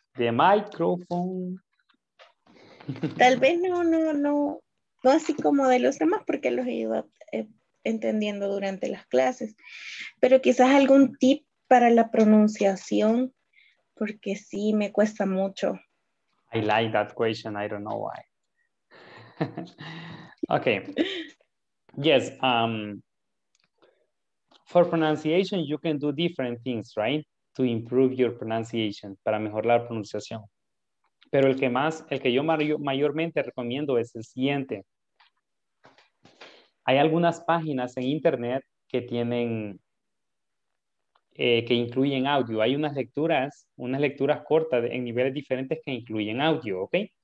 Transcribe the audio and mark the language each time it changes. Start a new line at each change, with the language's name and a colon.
Spanish: Tal vez no así como de los demás, porque los he ido entendiendo durante las clases, pero quizás algún tip para la pronunciación, porque sí me cuesta mucho.
English: I like that question, I don't know why. Okay. Yes, for pronunciation you can do different things, right? To improve your pronunciation,
Spanish: para mejorar la pronunciación. Pero el que yo mayormente recomiendo es el siguiente. Hay algunas páginas en internet que tienen, que incluyen audio. Hay unas lecturas cortas en niveles diferentes que incluyen audio, ¿ok?